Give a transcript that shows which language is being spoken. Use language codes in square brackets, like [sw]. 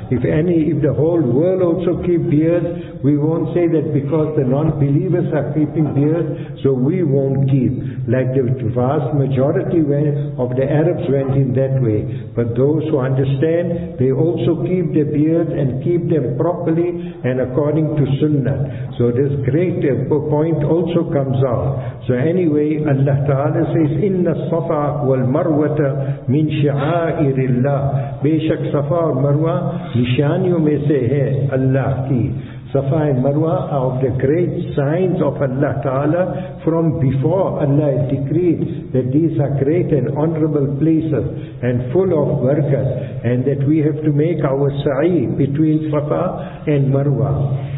[en] If the whole world also keep beards, we won't say that because the non-believers are keeping beards, so we won't keep. Like the vast majority of the Arabs went in that way. But those who understand, they also keep their beards and keep them properly and according to sunnah. So this great point also comes out. So anyway, Allah Ta'ala says, [ar] إِنَّ الصَّفَا وَالْمَرْوَةَ مِنْ شِعَائِرِ اللَّهِ [ur] بِشَكْ صَفَا وَالْمَرْوَا نشانیوں میں سے ہے اللہ کی. [en] Safa and Marwa are of the great signs of Allah Ta'ala. From before, Allah has decreed that these are great and honorable places and full of barakah, and that we have to make our sa'i between Safa and Marwa.